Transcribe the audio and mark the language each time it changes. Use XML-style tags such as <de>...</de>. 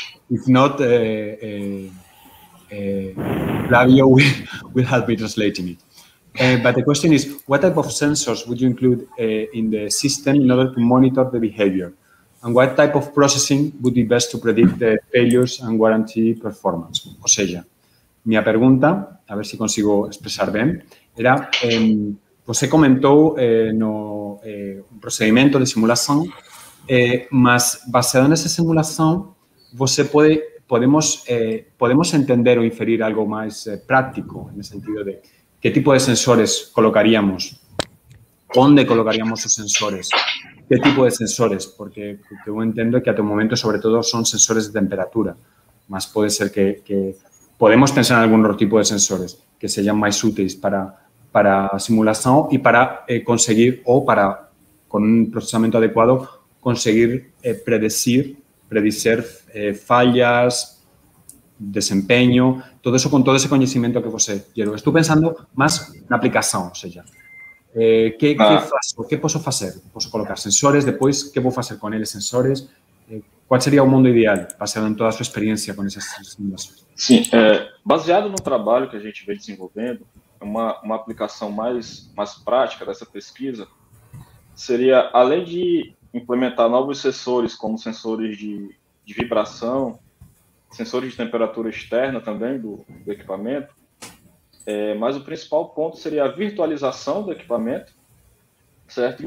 <en>If not, Flavio will help me translating it. But the question is, what type of sensors would you include in the system in order to monitor the behavior? And what type of processing would be best to predict the failures and guarantee performance?</en> <es>O sea, mi pregunta, a ver si consigo expresar bien, era, usted comentó no, un procedimiento de simulación, mas basado en esa simulación, usted puede, podemos entender o inferir algo más práctico, en el sentido de qué tipo de sensores colocaríamos, dónde colocaríamos los sensores. ¿Qué tipo de sensores? Porque yo entiendo que a tu momento, sobre todo, son sensores de temperatura. Más puede ser que podemos pensar en algún otro tipo de sensores que sean más útiles para simulación y para conseguir, o para, con un procesamiento adecuado, conseguir predecir fallas, desempeño, todo eso con todo ese conocimiento que posee. Estoy pensando más en aplicación, o sea,</es> <pt>Que posso fazer? Posso colocar sensores, depois, que vou fazer com eles, sensores? Qual seria o mundo ideal, baseado em toda a sua experiência com essas simulações? Sim, baseado no trabalho que a gente vem desenvolvendo, uma aplicação mais prática dessa pesquisa seria, além de implementar novos sensores, como sensores de vibração, sensores de temperatura externa também do equipamento, mas o principal ponto seria a virtualização do equipamento, certo?</pt>